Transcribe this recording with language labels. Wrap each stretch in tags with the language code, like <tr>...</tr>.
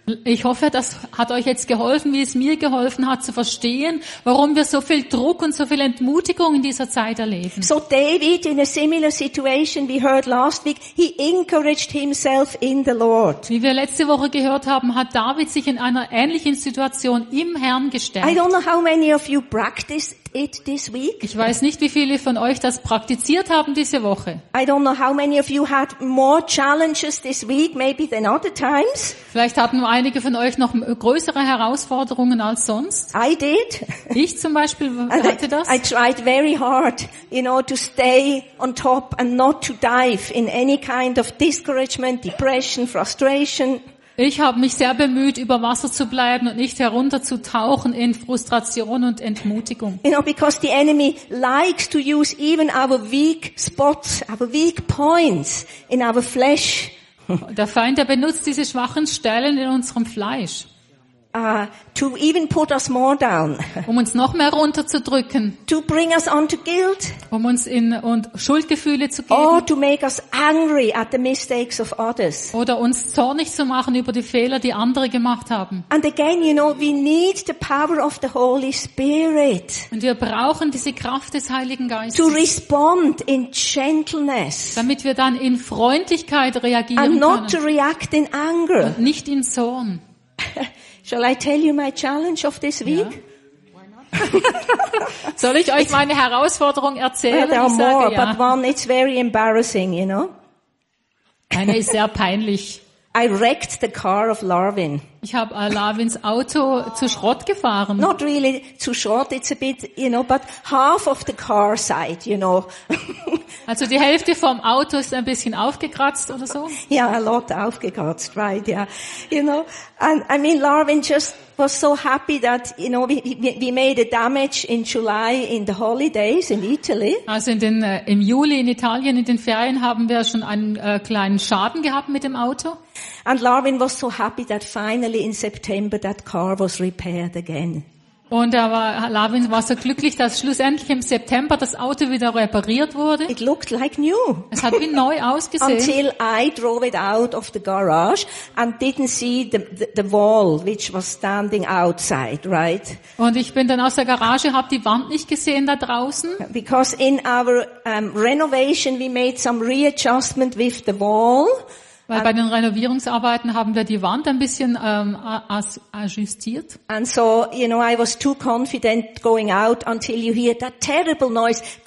<de>Ich hoffe, das hat euch jetzt geholfen, wie es mir geholfen hat, zu verstehen, warum wir so viel Druck und so viel Entmutigung in dieser Zeit erleben.</de> <en>So David, in a similar situation we heard last week, he encouraged himself in the Lord.</en> <de>Wie wir letzte Woche gehört haben, hat David sich in einer ähnlichen Situation im Herrn gestärkt.</de> <en>I don't know how many of you practiced it this week.</en> <de>Ich weiß nicht, wie viele von euch das praktiziert haben diese Woche.</de> <en>I don't know how many of you had more challenges this week, maybe than other times.</en> <de>Vielleicht hatten einige von euch noch größere Herausforderungen als sonst.</de> <en>I did.</en> <de>Ich zum Beispiel hatte das.</de> <en>I tried very hard, you know, to stay on top and not to dive in any kind of discouragement, depression, frustration.</en> <de>Ich habe mich sehr bemüht, über Wasser zu bleiben und nicht herunterzutauchen in Frustration und Entmutigung.</de> <en>You know, because the enemy likes to use even our weak spots, our weak points in our flesh.</en> <de>Der Feind, der benutzt diese schwachen Stellen in unserem Fleisch.</de> <en>To even put us more down.</en> <de>Um uns noch mehr runterzudrücken.</de> <en>To bring us onto guilt.</en> <de>Um uns in und Schuldgefühle zu geben.</de> <en>Or to make us angry at the mistakes of others.</en> <de>Oder uns zornig zu machen über die Fehler, die andere gemacht haben.</de> <en>And again, you know, we need the power of the Holy Spirit.</en> <de>Und wir brauchen diese Kraft des Heiligen Geistes.</de> <en>To respond in gentleness.</en> <de>Damit wir dann in Freundlichkeit reagieren</de> <en>and</en> <de>können.</de> <en>And not to react in anger.</en> <de>Und nicht in Zorn.</de> <en>Shall I tell you my challenge of this week? Yeah. Why not?</en> <de>Soll ich euch meine Herausforderung erzählen?</de> <en>There are more,</en> <de>ich sage ja.</de> <en>But one, it's very embarrassing, you know.</en> <de>Eine ist sehr peinlich.</de> <en>I wrecked the car of Larvin.</en> <de>Ich habe Larvins Auto zu Schrott gefahren.</de> <en>Not really</en> <de>zu Schrott,</de> <en>it's a bit, you know, but half of the car side, you know.</en> <de>Also die Hälfte vom Auto ist ein bisschen aufgekratzt oder so?</de> <en>Yeah, a lot aufgekratzt, right, yeah. You know, and I mean, Larvin just was so happy that, you know, we made a damage in July in the holidays in Italy.</en> <de>Also im Juli in Italien, in den Ferien, haben wir schon einen kleinen Schaden gehabt mit dem Auto.</de> <en>And Larvin was so happy that finally in September that car was repaired again.</en> <de>Und Lavin war so glücklich, dass schlussendlich im September das Auto wieder repariert wurde.</de> <en>It looked like new.</en> <de>Es hat wie neu ausgesehen.</de> <en>Until I drove it out of the garage and didn't see the wall which was standing outside, right?</en> <de>Und ich bin dann aus der Garage, habe die Wand nicht gesehen da draußen.</de> <en>Because in our renovation we made some readjustment with the wall.</en> <de>Weil bei den Renovierungsarbeiten haben wir die Wand ein bisschen ajustiert.</de> <en>And so, you know, I was too confident going out until you hear that terrible noise.</en>